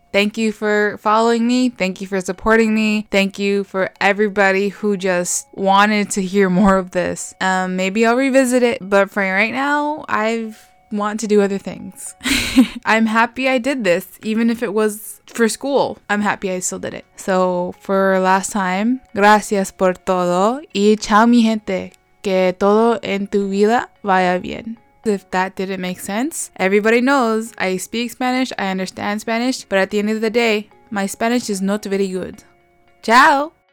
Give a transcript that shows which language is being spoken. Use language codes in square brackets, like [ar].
[en] Thank you for following me. Thank you for supporting me. Thank you for everybody who just wanted to hear more of this. Maybe I'll revisit it, but for right now, I want to do other things. I'm happy I did this, even if it was for school. I'm happy I still did it. So for last time, [es] gracias por todo y chao mi gente. Que todo en tu vida vaya bien. [en] If that didn't make sense, everybody knows I speak Spanish, I understand Spanish, but at the end of the day, my Spanish is not very good. Ciao!